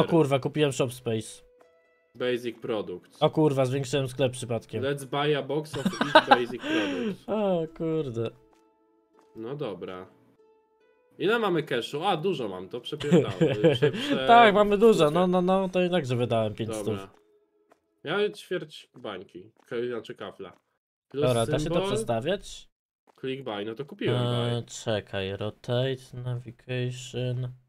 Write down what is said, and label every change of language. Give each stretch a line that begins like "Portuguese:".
Polish: O kurwa, kupiłem
English: shop space. Basic product.
Polish: O kurwa, zwiększyłem sklep przypadkiem.
English: Let's buy a box of each basic product.
Polish: O kurde. No dobra. Ile mamy cashu? A dużo mam, to przepierdało. Tak, mamy dużo. No, no, no, to jednakże wydałem 500. Dobra. Ja ćwierć bańki. Znaczy kafla. Plus dobra, symbol. Da się to przestawiać?
English: Click buy,
Polish: no to kupiłem. Czekaj,
English: rotate, navigation.